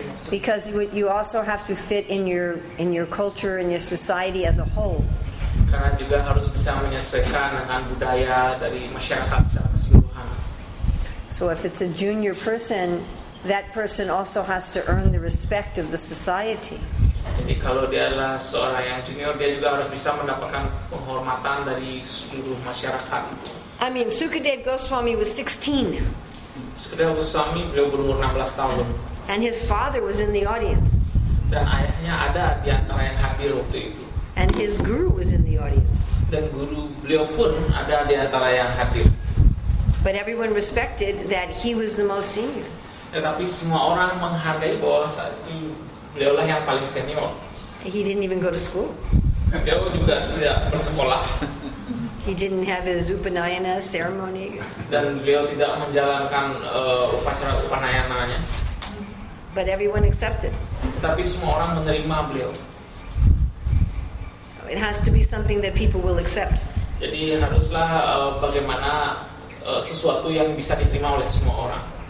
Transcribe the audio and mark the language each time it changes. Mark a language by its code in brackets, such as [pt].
[en] because you also have to fit in your culture and your society as a whole. [id] Karena juga harus bisa menyesuaikan dengan budaya dari masyarakat secara keseluruhan. [en] So if it's a junior person, that person also has to earn the respect of the society. [id] Jadi kalau dia adalah seorang yang junior, dia juga harus bisa mendapatkan penghormatan dari seluruh masyarakat. [en] I mean, Sukadev Goswami was 16. [id] Sukadeva Goswami beliau berumur 16 tahun. [en] And his father was in the audience. [id] Dan ayahnya ada di antara yang hadir waktu itu. [en] And his guru was in the audience. [id] Dan guru beliau pun ada di antara yang hadir. [en] But everyone respected that he was the most senior. [id] Tetapi semua orang menghargai bahwa saat itu beliau lah yang paling senior. [en] He didn't even go to school. [id] Beliau juga tidak bersekolah. [en] He didn't have his upanayana ceremony. [id] Dan beliau tidak menjalankan upacara upanayananya. [en] But everyone accepted. [id] Tapi semua orang menerima beliau. [en] So it has to be something that people will accept. [id] Jadi haruslah bagaimana sesuatu yang bisa diterima oleh semua orang.